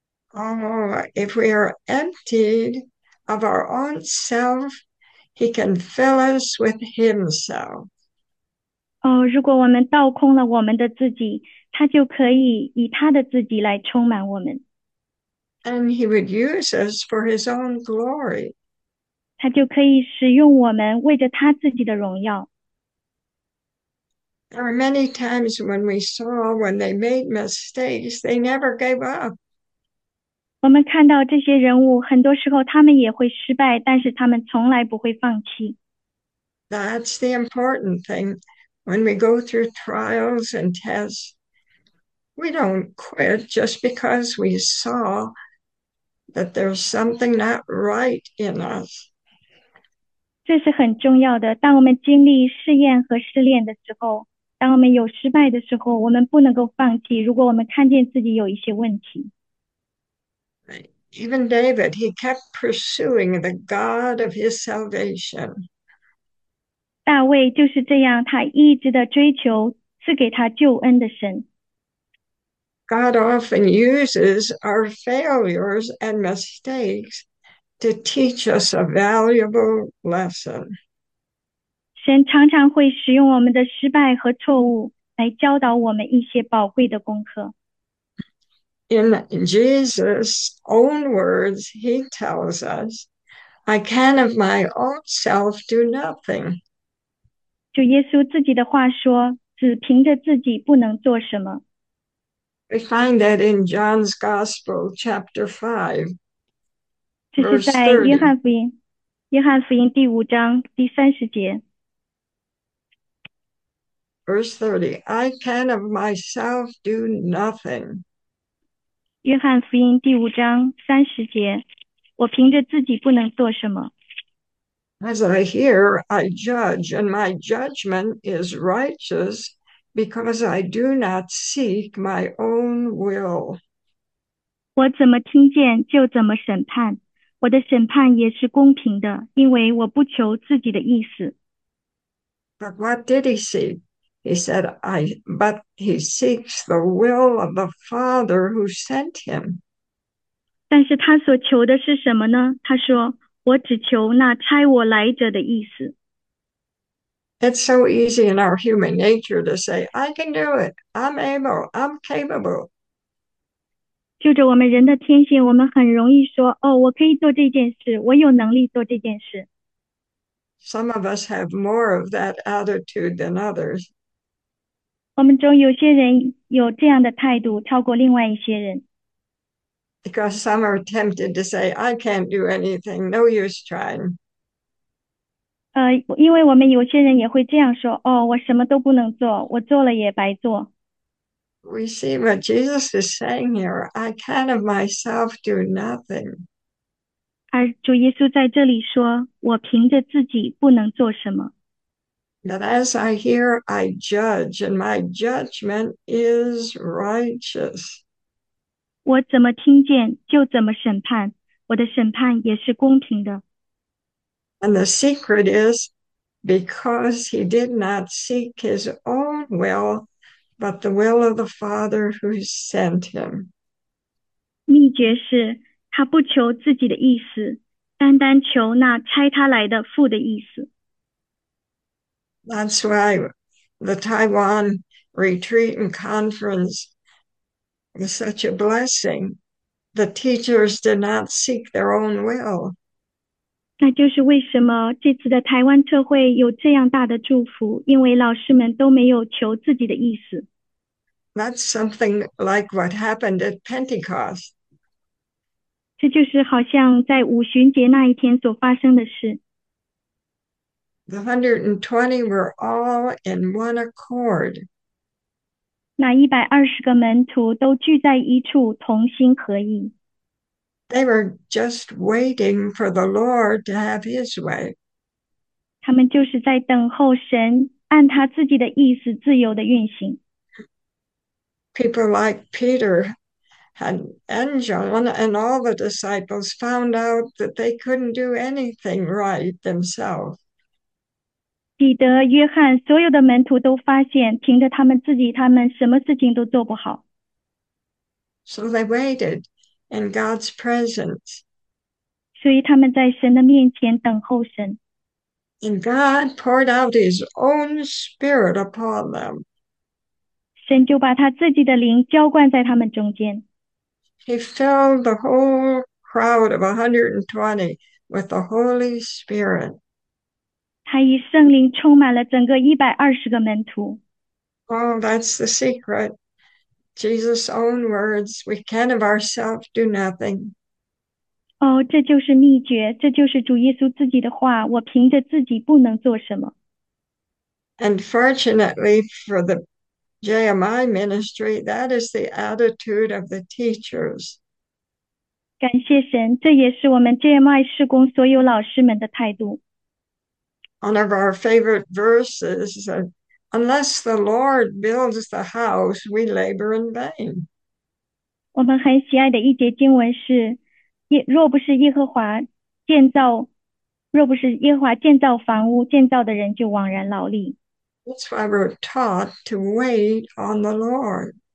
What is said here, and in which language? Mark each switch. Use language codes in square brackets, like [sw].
[en] Oh, if we are emptied of our own self, He can fill us with Himself. [zh] 哦，如果我们倒空了我们的自己，他就可以以他的自己来充满我们。 [en] And he would use us for his own glory. [zh] 他就可以使用我们为着他自己的荣耀。 [en] There were many times when we saw when they made mistakes, they never gave up. [zh] 我们看到这些人物，很多时候他们也会失败，但是他们从来不会放弃。 [en] That's the important thing. When we go through trials and tests, we don't quit just because we saw that there's something not right in us. [zh] 这是很重要的。当我们经历试验和试炼的时候，当我们有失败的时候，我们不能够放弃。如果我们看见自己有一些问题， [en] Even David, he kept pursuing the God of his salvation. [zh] 大卫就是这样，他一直的追求赐给他救恩的神。 [en] God often uses our failures and mistakes to teach us a valuable lesson. [zh] 神常常会使用我们的失败和错误来教导我们一些宝贵的功课。 [en] In Jesus' own words, he tells us, I can of my own self do nothing. [zh] 主耶稣自己的话说：“只凭着自己不能做什么。” [en] We find that in John's Gospel, chapter 5, [zh] 这是 [en] verse [zh] 在 [en] 30. [zh] 约翰福音第5章第30节。 [en] Verse 30, I can of myself do nothing. [zh] 约翰福音第5章30节，我凭着自己不能做什么。 [en] As I hear, I judge, and my judgment is righteous. Because I do not seek my own will. [zh] 我怎么听见就怎么审判，我的审判也是公平的，因为我不求自己的意思。 [en] But what did he see? He said, but he seeks the will of the Father who sent him. [zh] 但是他所求的是什么呢？他说：“我只求那差我来者的意思。 [en] It's so easy in our human nature to say, I can do it. I'm able. I'm capable. [zh] ”就着我们人的天性，我们很容易说：“哦，我可以做这件事，我有能力做这件事。 [en] Some of us have more of that attitude than others. [zh] ”我们中有些人有这样的态度，超过另外一些人。 [en] Because some are tempted to say, I can't do anything. No use trying. [zh] 因为我们有些人也会这样说，哦，我什么都不能做，我做了也白做。 [en] We see what Jesus is saying here. I can of myself do nothing. [zh] 而主耶稣在这里说，我凭着自己不能做什么。 [en] That as I hear, I judge, and my judgment is righteous. [zh] 我怎么听见就怎么审判，我的审判也是公平的。 [en] And the secret is because he did not seek his own will, but the will of the Father who sent him. [zh] 秘诀是他不求自己的意思，单单求那差他来的父的意思。 [en] That's why the Taiwan Retreat and Conference was such a blessing. The teachers did not seek their own will. [zh] 那就是为什么这次的台湾特会有这样大的祝福，因为老师们都没有求自己的意思。 [en] That's something like what happened at Pentecost. [zh] 这就是好像在五旬节那一天所发生的事。 [en] The 120 were all in one accord. [zh] 那120个门徒都聚在一处，同心合意。 [en] They were just waiting for the Lord to have his way. [zh] 他们就是在等候神按他自己的意思自由的运行。 [en] People like Peter and John and all the disciples found out that they couldn't do anything right themselves. [zh] 彼得、约翰，所有的门徒都发现，凭着他们自己，他们什么事情都做不好。 [en] So they waited in God's presence. [zh] 所以他们在神的面前等候神。 [en] And God poured out his own spirit upon them. [zh] 神就把他自己的灵浇灌在他们中间。 [en] He filled the whole crowd of 120 with the Holy Spirit. [zh] 他以圣灵充满了整个120个门徒。 [en] Oh, that's the secret. Jesus' own words, we can of ourselves do nothing. [zh] 哦，这就是秘诀，这就是主耶稣自己的话，我凭着自己不能做什么。 [en] And fortunately for the JMI ministry, that is the attitude of the teachers. [zh] 感谢神，这也是我们 JMI 事工所有老师们的态度。 [en] One of our favorite verses is that unless the Lord builds the house, we labor in vain. [zh] 我们很喜爱的一节经文是：若不是耶和华建造房屋，建造的人就枉然劳力。 [en] That's why we're taught to wait on the Lord.